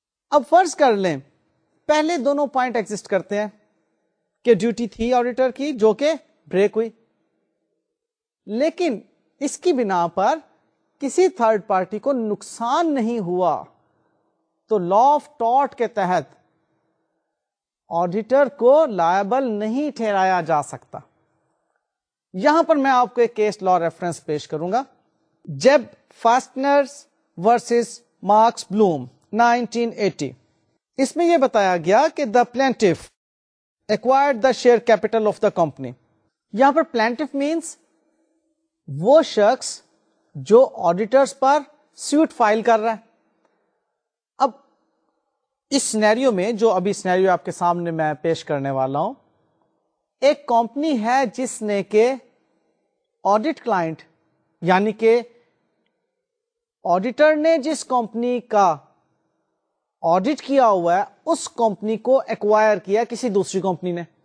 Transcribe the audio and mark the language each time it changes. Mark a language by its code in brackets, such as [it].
[ur] اب فرض کر لیں پہلے دونوں پوائنٹ ایگزسٹ کرتے ہیں کہ ڈیوٹی تھی آڈیٹر کی جو کہ بریک ہوئی, لیکن اس کی بنا پر کسی تھرڈ پارٹی کو نقصان نہیں ہوا, تو لا آف ٹارٹ کے تحت آڈیٹر کو لائبل نہیں ٹھہرایا جا سکتا. یہاں پر میں آپ کو ایک کیس لا ریفرنس پیش کروں گا, جیب فاسٹنرز ورسز مارکس بلوم 1980. اس میں یہ بتایا گیا کہ [en] The plaintiff acquired the share capital of the company. [ur] یہاں پر پلینٹف مینس وہ شخص جو آڈیٹرز پر سیوٹ فائل کر رہا ہے. اب اس سینیریو میں, جو ابھی سینیریو آپ کے سامنے میں پیش کرنے والا ہوں, ایک کمپنی ہے جس نے کہ آڈٹ کلائنٹ یعنی کہ آڈیٹر نے جس کمپنی کا آڈٹ کیا ہوا ہے اس کمپنی کو ایکوائر کیا کسی دوسری کمپنی نے.